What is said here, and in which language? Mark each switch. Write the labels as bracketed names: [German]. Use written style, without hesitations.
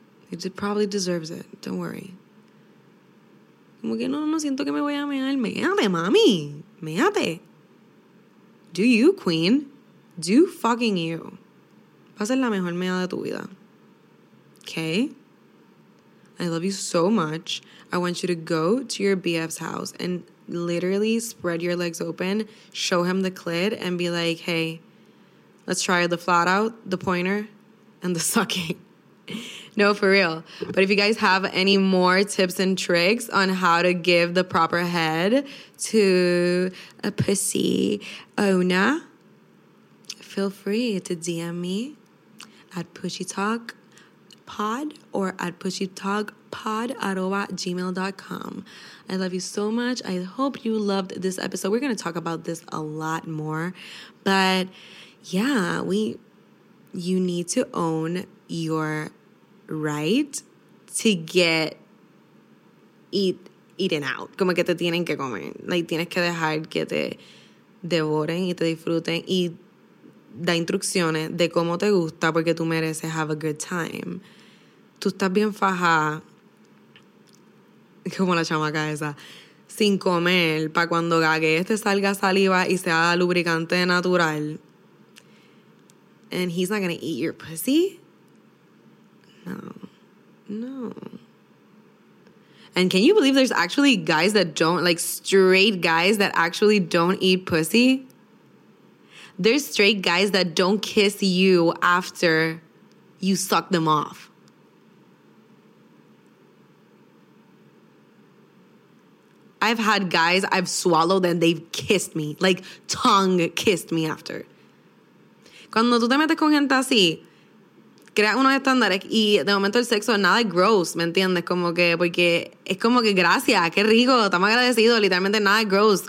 [English] It probably deserves it, don't worry. [Spanish] Como que no siento que me voy a mear. Meate, mami, meate. [English] Do you, queen. Do fucking you. [Spanish] Va a ser la mejor mea de tu vida. [English] Okay? I love you so much. I want you to go to your BF's house and literally spread your legs open, show him the clit, and be like, hey, let's try the flat out, the pointer, and the sucking. No, for real. But if you guys have any more tips and tricks on how to give the proper head to a pussy owner, feel free to DM me at pushytalkpod or at pushytalk pod@gmail.com. I love you so much. I hope you loved this episode. We're going to talk about this a lot more. But yeah, you need to own your right to get eaten out. [Spanish] Como que te tienen que comer. Like, tienes que dejar que te devoren y te disfruten y da instrucciones de cómo te gusta porque tú mereces [English] have a good time. [Spanish] Tú estás bien fajada, como la chamaca esa, sin comer, para cuando gaguees te salga saliva y sea lubricante natural. [English] And he's not gonna eat your pussy? No. No. And can you believe there's actually guys that don't, like straight guys that actually don't eat pussy? There's straight guys that don't kiss you after you suck them off. I've had guys I've swallowed and they've kissed me. Like, tongue kissed me after. [Spanish] Cuando tú te metes con gente así, creas unos estándares y de momento el sexo nada es gross, ¿me entiendes? Como que, porque es como que gracias, qué rico, estamos agradecidos, literalmente nada es gross.